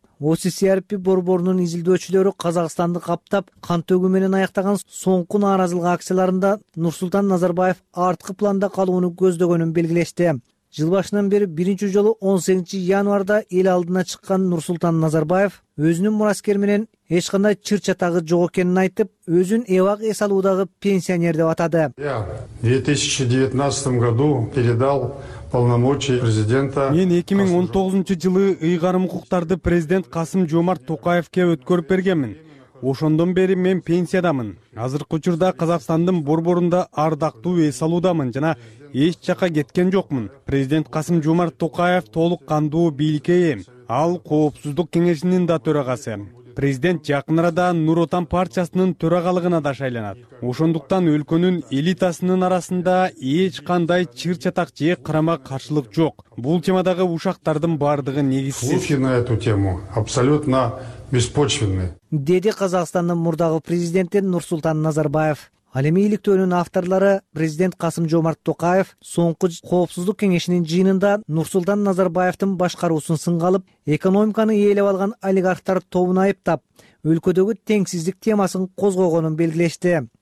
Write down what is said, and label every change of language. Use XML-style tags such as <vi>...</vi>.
<ky>OCCRP борборунун изилдөөчүлөрү Казакстанды каптап, кан төгүү менен аяктаган соңку нааразылык акцияларында Нурсултан Назарбаев арткы планда калууну көздөгөнүн белгилешти. Жыл башынан бери биринчи жолу 18 январда эл алдына чыккан Нурсултан Назарбаев өзүнүн мураскери менен эч кандай чыр чатагы жок экенин айтып, өзүн эвак эс алуудагы пенсионер деп атады.</ky> <ru>Я в 2019 году передал полномочий президента.</ru> <ky>Мен 2019 жылы ыйгарым укуктарды президент Касым Жомарт Токаевке өткөрүп бергенмин. Ошондон бери мен пенсиядамын. Азыркы учурда Казакстандын борборунда ардактуу эс алуудамын жана эч жака кеткен жокмун. Президент Касым Жомарт Токаев толук кандуу бийликке ээ. Ал Коопсуздук кеңешинин да төрагасы. Президент жакын арада Нур Отан партиясынын төрагалыгына да шайланат. Ошондуктан өлкөнүн элитасынын арасында эч кандай чыр чатак же карама каршылык жок. Бул темадагы ушактардын бардыгы негизсиз.</ky> <ru>Слухи на эту тему абсолютно беспочвенны.</ru> <ky>Деди Казакстандын мурдагы президенти Нурсултан Назарбаев. Ал эми иликтөөнүн авторлары президент Касым Жомарт Токаев соңку коопсуздук кеңешинин жыйынында Нурсултан Назарбаевдин башкаруусун сынга алып, экономиканы ээлеп алган олигархтар тобун айыптап, өлкөдөгү теңсиздик темасын козгогонун белгилешти.</ky>